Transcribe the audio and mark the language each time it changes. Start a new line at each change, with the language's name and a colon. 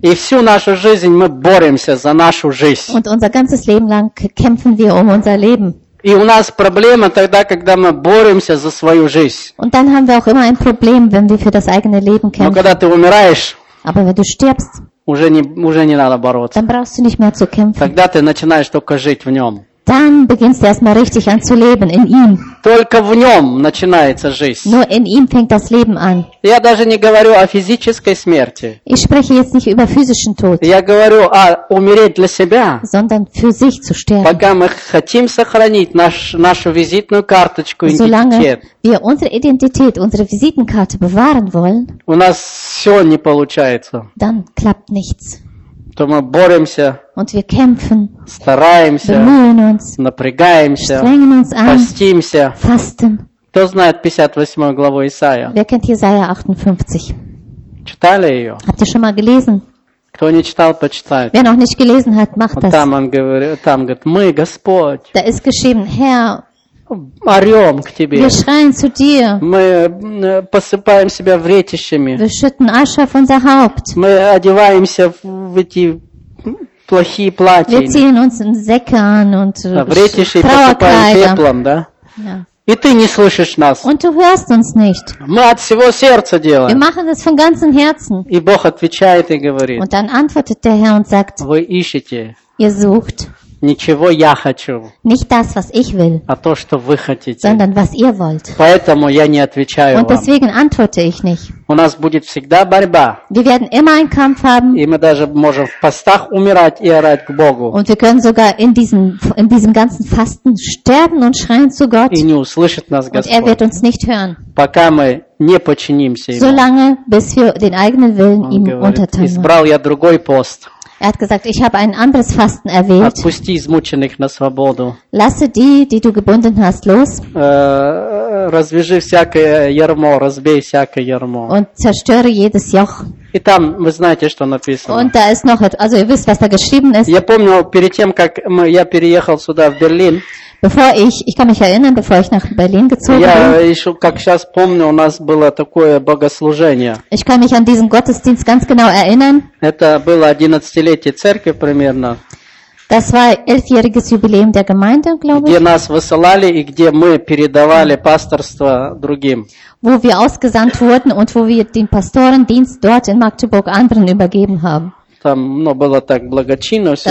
Russian: И всю нашу жизнь мы боремся за нашу жизнь.
German: Und unser ganzes Leben lang kämpfen wir um unser Leben.
Russian: И у нас проблема тогда, когда мы боремся за свою жизнь.
German: Und dann haben wir auch immer ein Problem, wenn wir für das eigene Leben kämpfen.
Russian: Но когда ты умираешь,
German: aber wenn du stirbst,
Russian: уже не надо бороться.
German: Dann brauchst du nicht mehr zu kämpfen.
Russian: Тогда ты начинаешь только жить в нем.
German: Dann beginnst du erstmal richtig an zu leben, in ihm.
Russian: Только в нем начинается жизнь.
German: Nur in ihm fängt das Leben an.
Russian: Я даже не говорю о физической смерти.
German: Ich spreche jetzt nicht über physischen Tod.
Russian: Я говорю о умереть для себя.
German: Sondern für sich zu sterben.
Russian: Пока мы хотим сохранить нашу визитную карточку, идентитет.
German: Solange wir unsere Identität, unsere Visitenkarte bewahren wollen,
Russian: у нас все не получается.
German: Dann klappt nichts.
Russian: То мы боремся,
German: und wir kämpfen,
Russian: стараемся,
German: bemühen uns,
Russian: напрягаемся,
German: strengen uns an,
Russian: постимся.
German: Fasten.
Russian: Кто знает 58 главу Исаия?
German: Wer kennt Jesaja 58?
Russian: Читали ее?
German: Habt ihr schon mal gelesen?
Russian: Кто не читал, почитайте.
German: Wer noch nicht gelesen hat, macht das.
Russian: Там он говорит, мы, Господь.
German: Da ist geschrieben, Herr,
Russian: орем к тебе.
German: Wir schreien zu dir.
Russian: Мы посыпаем себя вретищами.
German: Wir schütten Asche auf unser Haupt.
Russian: Мы одеваемся в эти плохие платья.
German: Wir ziehen uns in Säcke an und
Russian: вретищи посыпаем пеплом, да? И ты не слышишь нас.
German: Und du hörst uns nicht.
Russian: Мы от всего сердца делаем.
German: Wir machen das von ganzem Herzen.
Russian: И Бог отвечает и говорит.
German: Und dann antwortet der Herr und sagt,
Russian: вы ищете.
German: Ihr sucht.
Russian: Ничего я хочу.
German: Nicht das, was ich will.
Russian: А то, что вы хотите.
German: Sondern was ihr wollt.
Russian: Поэтому я не отвечаю
German: und
Russian: вам.
German: Und deswegen antworte ich nicht.
Russian: У нас будет всегда борьба.
German: Wir werden immer einen Kampf haben.
Russian: И мы даже можем в постах умирать и орать к Богу.
German: Und wir können sogar in diesem ganzen Fasten sterben und schreien zu Gott.
Russian: И не услышит нас Господь.
German: Und er wird uns nicht hören.
Russian: Пока мы не подчинимся ему.
German: Solange, bis wir den eigenen Willen ihm untertan.
Russian: Избрал я другой пост.
German: Er hat gesagt, ich habe ein anderes Fasten erwählt.
Russian: Отпусти измученных на свободу.
German: Lasse die, die du gebunden hast, los.
Russian: Развяжи всякое ярмо, разбей всякое ярмо.
German: Und zerstöre jedes Joch.
Russian: И там вы знаете, что написано.
German: Und da ist noch, also ihr wisst, was da geschrieben ist.
Russian: Я помню, перед тем, как я переехал сюда в Берлин.
German: Bevor ich kann mich erinnern, bevor ich nach Berlin gezogen
Russian: я
German: bin.
Russian: Я еще, как сейчас помню, у нас было такое богослужение.
German: Ich kann mich an diesen Gottesdienst ganz genau erinnern.
Russian: Это было 11-летие церкви примерно.
German: Das war 11-jähriges Jubiläum der Gemeinde, glaube ich.
Russian: Где нас высылали и где мы передавали пасторство другим.
German: Wo wir ausgesandt wurden und wo wir den Pastorendienst dort in Magdeburg anderen übergeben haben.
Russian: Там, ну, было так благочинно все